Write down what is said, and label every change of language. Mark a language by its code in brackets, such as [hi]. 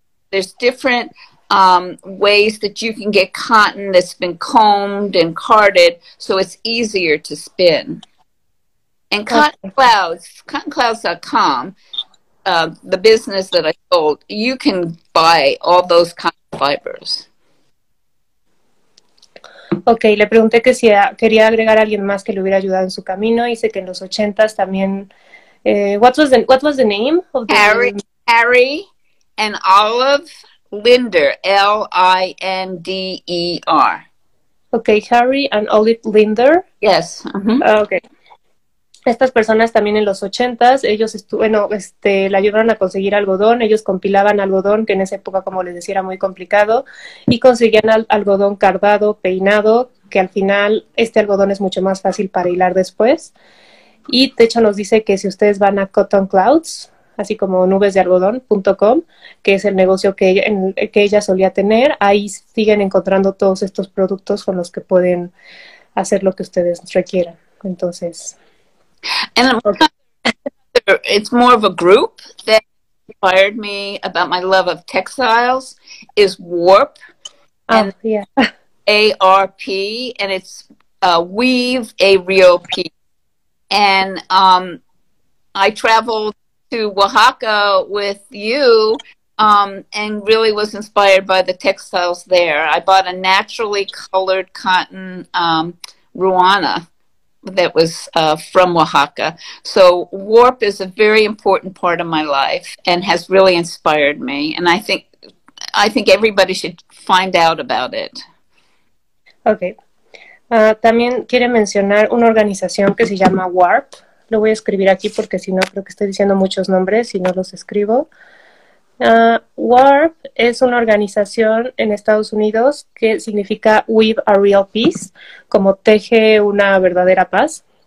[en] There's different ways that you can get cotton that's been combed and carded so it's easier to spin. And cottonclouds.com, the business that I sold, you can buy all those kind of fibers. [es] Okay, le pregunté que si quería agregar a alguien más que le hubiera ayudado en su camino. Dice que en los ochentas también. [en] What was the name of the Harry? Harry and Olive Linder, LINDER. Okay, Harry and Olive Linder. Yes. Mm-hmm. Okay. [es] Estas personas también en los ochentas, ellos le ayudaron a conseguir algodón, ellos compilaban algodón, que en esa época, como les decía, era muy complicado, y conseguían algodón cardado, peinado, que al final este algodón es mucho más fácil para hilar después. Y de hecho nos dice que si ustedes van a Cotton Clouds, así como nubesdealgodón.com, que es el negocio que ella solía tener, ahí siguen encontrando todos estos productos con los que pueden hacer lo que ustedes requieran. Entonces... [en] And it's more of a group that inspired me about my love of textiles is Warp. And ARP, and it's Weave ARP. And I traveled to Oaxaca with you and really was inspired by the textiles there. I bought a naturally colored cotton Ruana that was from Oaxaca. So Warp is a very important part of my life and has really inspired me. And I think everybody should find out about it. Okay. [es] También quiere mencionar una organización que se llama Warp. Lo voy a escribir aquí porque si no creo que estoy diciendo muchos nombres y no los escribo. Warp es una organización en Estados Unidos que significa Weave a Real Peace, como teje una verdadera paz.